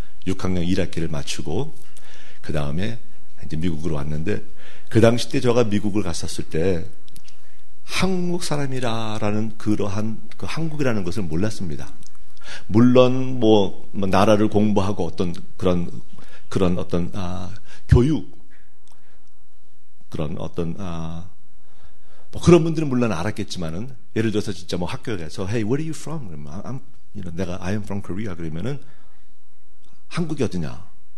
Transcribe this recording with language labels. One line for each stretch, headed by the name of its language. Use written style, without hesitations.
Korean: 6학년 1학기를 마치고 그 다음에 이제 미국으로 왔는데 그 당시 때 제가 미국을 갔었을 때 한국 사람이라는 그러한 그 한국이라는 것을 몰랐습니다. 물론 뭐 나라를 공부하고 어떤 그런 어떤 교육 그런 어떤 그런 분들은 물론 알았겠지만은 예를 들어서 진짜 뭐 학교에 가서 Hey, where are you from?
English: 그러면 I am from Korea.
Korean: 그러면은 한국이 어디냐?